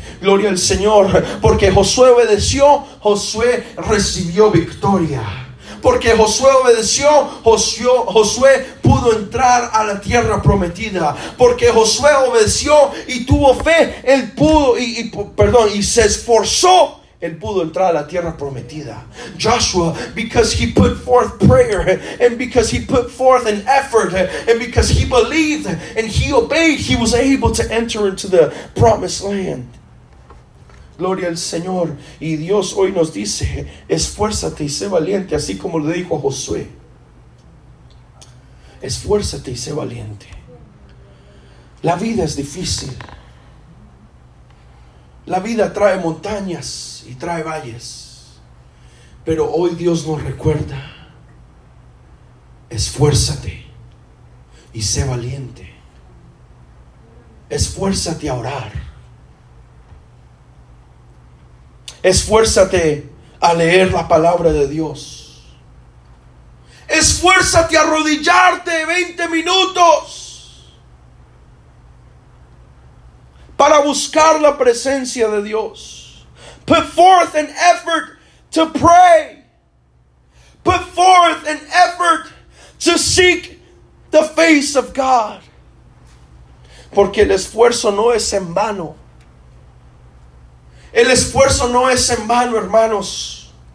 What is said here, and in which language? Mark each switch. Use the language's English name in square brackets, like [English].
[Spanish] Gloria al Señor. Porque Josué obedeció, Josué recibió victoria. Porque Josué obedeció, Josué pudo entrar a la tierra prometida. Porque Josué obedeció y tuvo fe, él pudo, y se esforzó, él pudo entrar a la tierra prometida. [English] Joshua, because he put forth prayer, and because he put forth an effort, and because he believed, and he obeyed, he was able to enter into the promised land. [Spanish] Gloria al Señor. Y Dios hoy nos dice, esfuérzate y sé valiente, así como le dijo a Josué. Esfuérzate y sé valiente. La vida es difícil. La vida trae montañas y trae valles. Pero hoy Dios nos recuerda, esfuérzate y sé valiente. Esfuérzate a orar. Esfuérzate a leer la palabra de Dios. Esfuérzate a arrodillarte 20 minutos para buscar la presencia de Dios. [English] Put forth an effort to pray. Put forth an effort to seek the face of God. [Spanish] Porque el esfuerzo no es en vano. El esfuerzo no es en vano, hermanos.